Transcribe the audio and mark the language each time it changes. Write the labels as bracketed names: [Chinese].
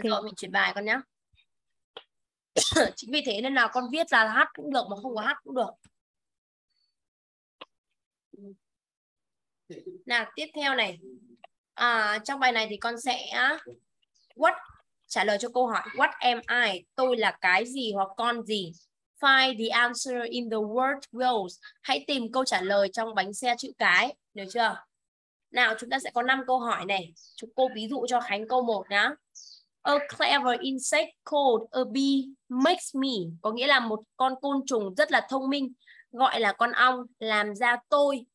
[Vietnamese] rồi, mình chuyển bài con nhé. Chính vì thế nên là con viết ra là hát cũng được mà không có hát cũng được. Nào, tiếp theo này. Trong bài này thì con sẽ what, trả lời cho câu hỏi [English] what am I, [Vietnamese] tôi là cái gì hoặc con gì. [English] Find the answer in the word wheels. [Vietnamese] Hãy tìm câu trả lời trong bánh xe chữ cái, được chưa? Nào, chúng ta sẽ có 5 câu hỏi này. Chúng cô ví dụ cho Khánh câu 1 nhá. [English] A clever insect called a bee makes me, [Vietnamese] có nghĩa là một con côn trùng rất là thông minh gọi là con ong làm ra tôi.